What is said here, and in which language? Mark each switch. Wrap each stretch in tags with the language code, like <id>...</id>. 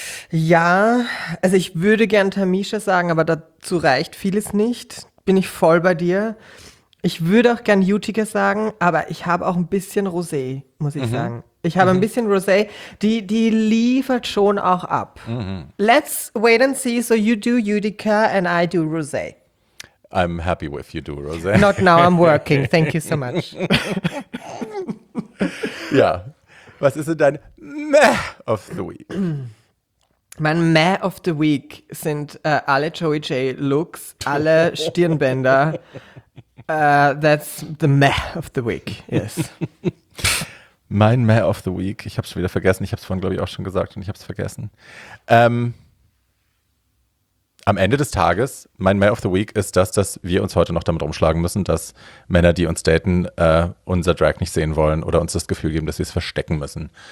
<de>Ja, also ich würde gern Tamisha sagen, aber dazu reicht vieles nicht. Bin ich voll bei dir. Ich würde auch gern Utica sagen, aber ich habe auch ein bisschen Rosé, muss ich sagen. Ich habe ein bisschen Rosé, die liefert schon auch ab.</de> <en>Let's wait and see, so you do Utica and I do Rosé. I'm happy with you do Rosé. Not now, I'm working, thank you so much.</en> <de>Ja, was ist denn dein Meh of the Week? Mein Meh of the Week sind alle Joey J. Looks, alle Stirnbänder.</de> <en>That's the Meh of the Week, yes.</en> <de>Mein Meh of the Week, ich habe es wieder vergessen. Ich habe es vorhin, glaube ich, auch schon gesagt und ich habe es vergessen. Am Ende des Tages, mein Meh of the Week ist das, dass wir uns heute noch damit rumschlagen müssen, dass Männer, die uns daten, unser Drag nicht sehen wollen oder uns das Gefühl geben, dass wir es verstecken müssen.</de>